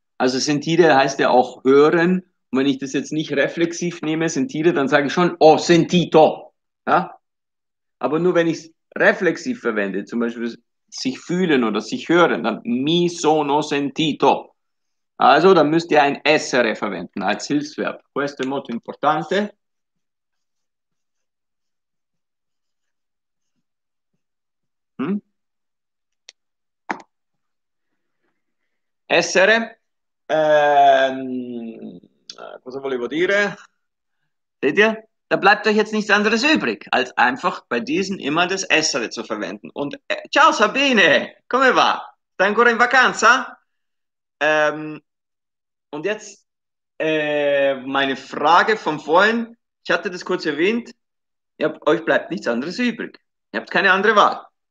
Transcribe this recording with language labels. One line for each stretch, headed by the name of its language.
German: Also sentire heißt ja auch hören. Und wenn ich das jetzt nicht reflexiv nehme, sentire, dann sage ich schon,
Italian: ho sentito.
German: Ja? Aber nur wenn ich es reflexiv verwende, zum Beispiel sich fühlen oder sich hören, dann
Italian: mi sono sentito.
German: Also dann müsst ihr ein essere verwenden als Hilfsverb.
Italian: Questo è molto importante. Essere, cosa volevo dire?
German: Seht ihr? Da bleibt euch jetzt nichts anderes übrig, als einfach bei diesen immer das Essere zu verwenden.
Italian: Und ciao Sabine, come va? Stai ancora in vacanza?
German: Und jetzt meine Frage von vorhin, ich hatte das kurz erwähnt, euch bleibt nichts anderes übrig. Ihr habt keine andere Wahl.